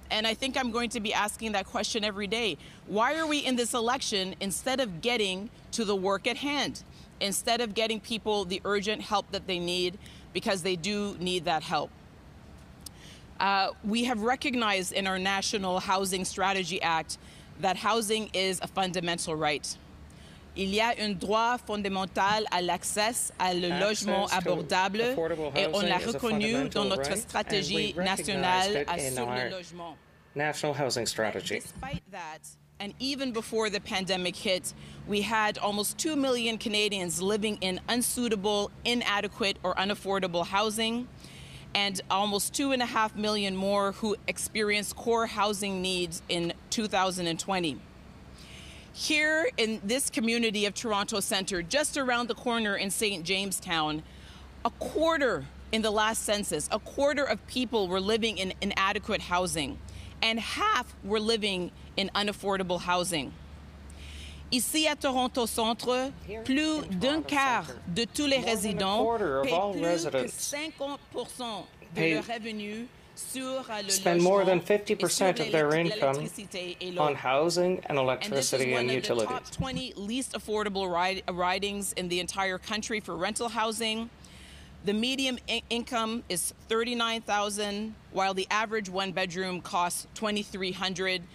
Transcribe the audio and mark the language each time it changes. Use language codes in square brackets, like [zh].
[en] And I think I'm going to be asking that question every day. Why are we in this election instead of getting to the work at hand, instead of getting people the urgent help that they need, because they do need that help? We have recognized in our National Housing Strategy Act that housing is a fundamental right. [fr] Il y a un droit fondamental à l'accès à le logement abordable et on l'a reconnu dans notre stratégie nationale à sur le logement. [en] National Housing Strategy. Despite that, and even before the pandemic hit, we had almost 2 million Canadians living in unsuitable, inadequate or unaffordable housing, and almost 2.5 million more who experienced core housing needs in 2020. Here in this community of Toronto Centre, just around the corner in St. Jamestown, a quarter in the last census, a quarter of people were living in inadequate housing, and half were living in unaffordable housing. [fr] Ici à Toronto Centre, here, plus d'un quart de tous les résidents paient plus de 50% de leurs revenus. [en] Spend more than 50% of their income on housing and electricity and utilities. And this is one of the top 20 least affordable ridings in the entire country for rental housing. The median income is $39,000, while the average one-bedroom costs $2,300.